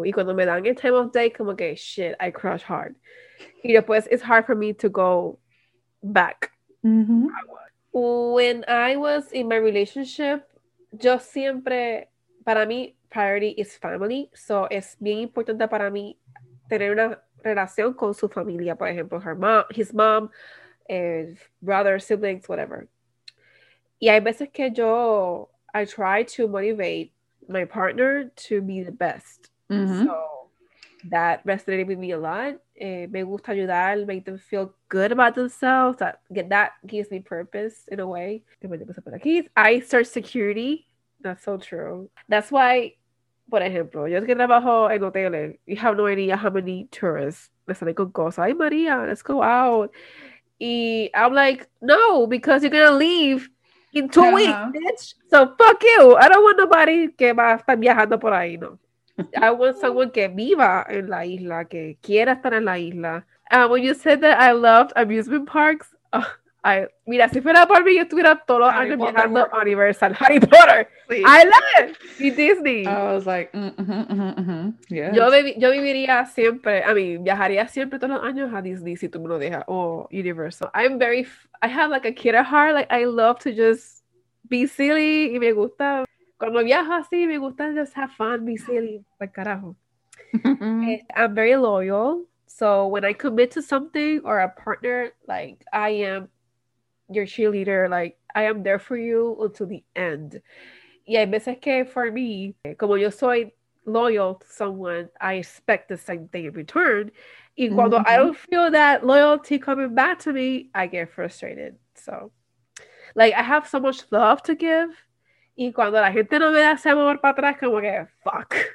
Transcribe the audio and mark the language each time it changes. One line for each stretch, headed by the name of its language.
Spanish: Y cuando me dan el
English: time of day,
Spanish: como que
English: shit, I crush hard.
Spanish: Y después
English: it's hard for me to go back. Mm-hmm. When I was in my relationship,
Spanish: yo siempre, para mí,
English: priority is family.
Spanish: So es bien importante para mí tener una relación con su familia. Por ejemplo,
English: her mom, his mom, brother, siblings, whatever.
Spanish: Y hay veces que yo...
English: I try to motivate my partner to be the best. Mm-hmm. So that resonated with me a lot.
Spanish: Me gusta ayudar,
English: make them feel good about themselves. That gives me purpose in a way. I search security. That's so true. That's why,
Spanish: por ejemplo, yo es que trabajo en hoteles.
English: You have no idea how many tourists.
Spanish: Me sale con cosas.
English: Ay, María, let's go out. And I'm like, no, because you're going to leave in 2 weeks, bitch. So fuck you. I don't want nobody
Spanish: que va a estar viajando por ahí, no.
English: I want someone
Spanish: que viva en la isla, que quiera estar en la isla.
English: When you said that I loved amusement parks,
Spanish: mira, si fuera por mí, yo estuviera todos los años viajando a Universal. Harry Potter.
English: Please. I love it.
Spanish: Y Disney.
English: I was like, Yeah.
Spanish: Yo viviría siempre,
English: I mean,
Spanish: viajaría siempre todos los años a Disney si tú me lo dejas, o Universal.
English: I have like a kid at heart. Like, I love to just be silly.
Spanish: Y me gusta, cuando viajo así, me gusta
English: just have fun, be silly. Like, carajo. I'm very loyal. So when I commit to something or a partner, like, I am your cheerleader, like, I am there for you until the end.
Spanish: Y hay veces que
English: for me,
Spanish: como yo soy
English: loyal to someone, I expect the same thing in return.
Spanish: Y cuando
English: mm-hmm. I don't feel that loyalty coming back to me, I get frustrated. So, like, I have so much love to give.
Spanish: Y cuando la gente no me da ese amor para atrás, como que, fuck.